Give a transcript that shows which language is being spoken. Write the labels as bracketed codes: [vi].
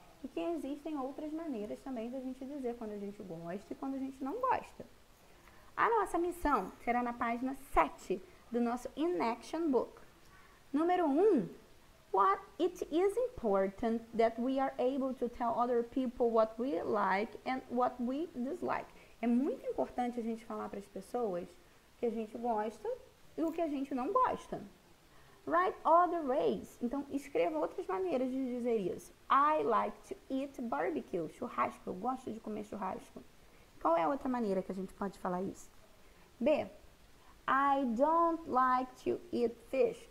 [pt] E que existem outras maneiras também da gente dizer quando a gente gosta e quando a gente não gosta. A nossa missão será na página 7 do nosso In Action Book. Número 1, [en] what it is important that we are able to tell other people what we like and what we dislike. [pt] É muito importante a gente falar para as pessoas o que a gente gosta e o que a gente não gosta. [en] Write other ways. [pt] Então, escreva outras maneiras de dizer isso. I like to eat barbecue, churrasco. Eu gosto de comer churrasco. Qual é a outra maneira que a gente pode falar isso? B. [en] I don't like to eat fish.